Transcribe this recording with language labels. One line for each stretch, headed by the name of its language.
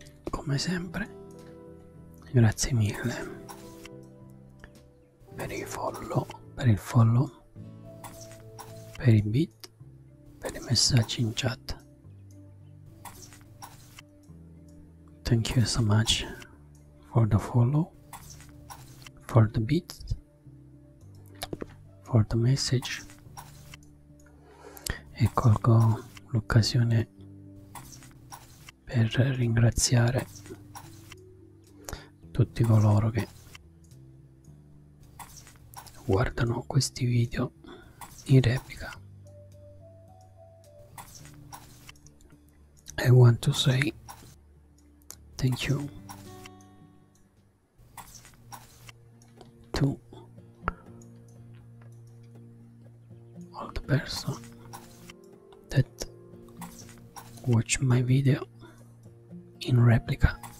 Italian: Come sempre, grazie mille per il follow, per i bit, per i messaggi in chat.
English: Thank you so much for the follow, for the beat, for the message.
Italian: E colgo l'occasione per ringraziare tutti coloro che guardano questi video in replica.
English: I want to say thank you to all the person that watch my video in replica.